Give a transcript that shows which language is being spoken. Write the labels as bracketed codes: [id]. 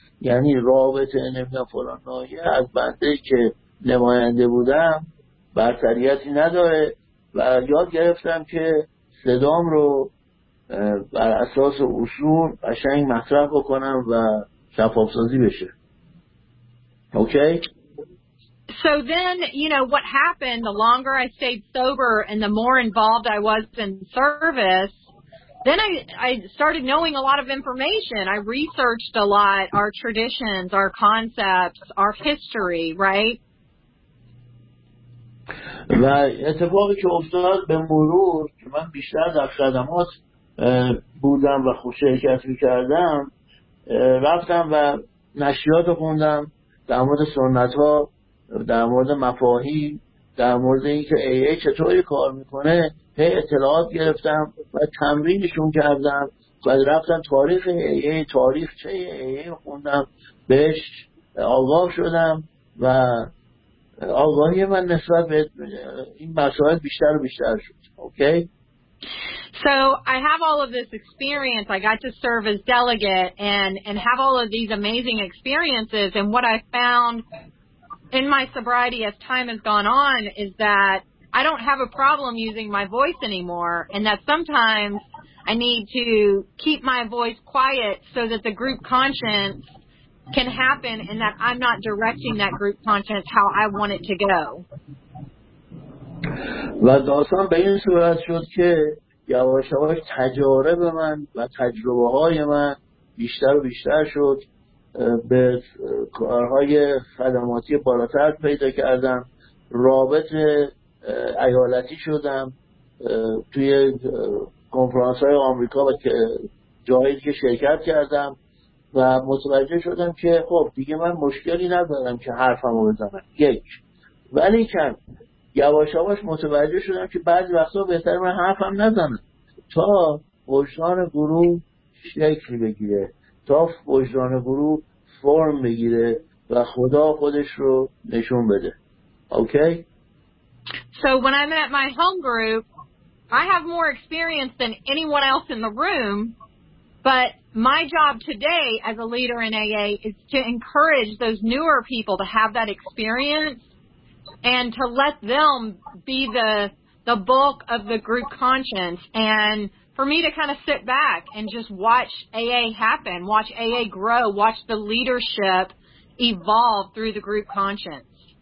[fa] یعنی رابطه نمیدونم فلان ناحیه از بنده که نماینده بودم برتریتی نداره و یاد گرفتم که صدام رو بر اساس اصول قشنگ مطرح بکنم و شفافسازی بشه. اوکی؟ [en] So then, you know, what happened, the longer I stayed sober and the more involved I was in service, then I started knowing a lot of information. I researched a lot, our traditions, our concepts, our history, right? [fa] و اتفاقی که افتاد به مرور که من بیشتر در خدمات بودم و خوش شرکت می‌کردم، رفتم و نشریات رو خوندم در مورد سنت ها، در مورد مفاهیم، در مورد اینکه AA چطوری کار میکنه، اطلاعات گرفتم و تمرینشون کردم و رفتم تاریخ AA، تاریخ چه AA خوندم، بهش آگاه شدم و آگاهی من نسبت به این مسائل بیشتر و بیشتر شد. اوکی؟ [en] So I have all of this experience. I got to serve as delegate and have all of these amazing experiences. And what I found in my sobriety as time has gone on is that I don't have a problem using my voice anymore, and that sometimes I need to keep my voice quiet so that the group conscience can happen and that I'm not directing that group conscience how I want it to go. [fa] و داستان به این صورت شد که یواش یواش تجارب من و تجربه های من بیشتر و بیشتر شد، به کارهای خدماتی بالاتر پیدا کردم، رابط ایالتی شدم توی کنفرانس های آمریکا و جایی که شرکت کردم و متوجه شدم که خب دیگه من مشکلی ندارم که حرفم رو بزنم، یک. ولی کم یواش یواش متوجه شدم که بعضی وقتا بهتر من حرفم نزنم تا وجدان گروه شکل بگیره، تا وجدان گروه فرم بگیره و خدا خودش رو نشون بده. اوکی؟ [en] So when I'm at my home group, I have more experience than anyone else in the room, but my job today as a leader in AA is to encourage those newer people to have that experience and to let them be the bulk of the group conscience, and for me to kind of sit back and just watch AA happen, watch AA grow, watch the leadership evolve through the group conscience.